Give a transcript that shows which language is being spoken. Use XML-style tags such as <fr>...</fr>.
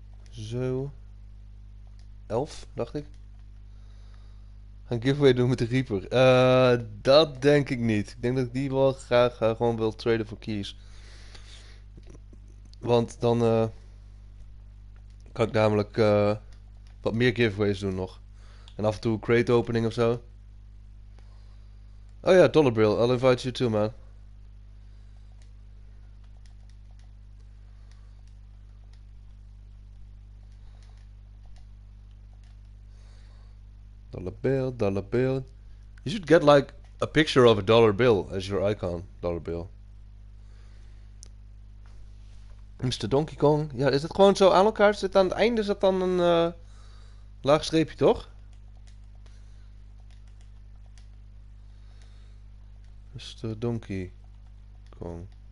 <nl>Zo. 11, dacht ik. Een giveaway doen met de Reaper. Dat denk ik niet. Ik denk dat ik die wel graag gewoon wil traden voor keys. Want dan kan ik namelijk wat meer giveaways doen nog. En af en toe crate opening of zo.</nl> <en>Oh ja, Dollar Bill, I'll invite you too, man. Dollar bill, dollar bill. You should get like a picture of a dollar bill as your icon, dollar bill. Mr. Donkey Kong.</en> <nl>Ja, is het gewoon zo aan elkaar? Zit aan het einde, zit dan een laag streepje, toch?</nl> <en>Mr. Donkey Kong.</en>